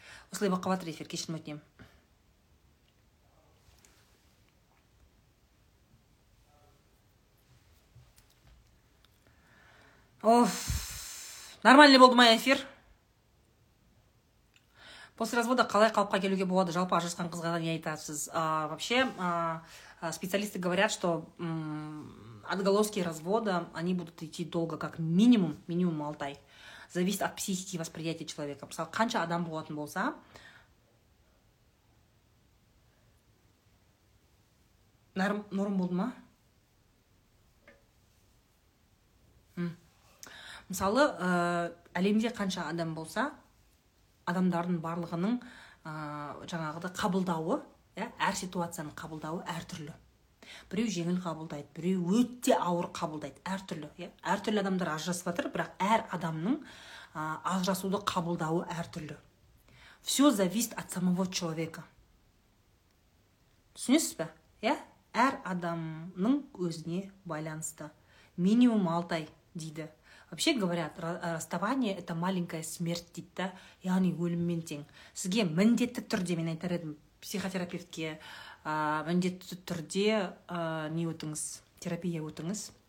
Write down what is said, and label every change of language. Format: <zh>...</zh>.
<kk>Услыба кватер эфир, кешірім өтінем. Оф, нормальный болды мой эфир.</kk> <ru>После развода</ru> <kk>қалай қалыпқа келуге болады? Жалпы ажырасқан қызға не айтасыз?</kk> <ru>Вообще, специалисты говорят, что отголоски развода, они будут идти долго, как минимум, минимум</ru> <kk>алты ай.</kk> <ru>Зависит от психики восприятия человека.</ru> <kk>Мысалы, қанша адам болатын болса, норм болды ма? Мысалы, әлемде қанша адам болса, адамдардың барлығының жаңағыды қабылдауы, әр ситуацияның қабылдауы әртүрлі. Біреу жеңіл қабылдайды, біреу өте ауыр қабылдайды, әртүрлі. Әртүрлі адамдар ажырасып жатыр, бірақ әр адамның ажырасуды қабылдауы әртүрлі.</kk> <ru>Все зависит от самого человека.</ru> <kk>Түсінесіз бе? Әр адамның өзіне байланысты. Минимум алтай дейді.</kk> <ru>Вообще говорят, расставание – это маленькая смерть,</ru> <kk>дейді, яғни өліммен тең. Сізге міндетті түрде, мен айтар едім психотерапевтке, міндетті түрде не өтіңіз, терапия өтіңіз.</kk>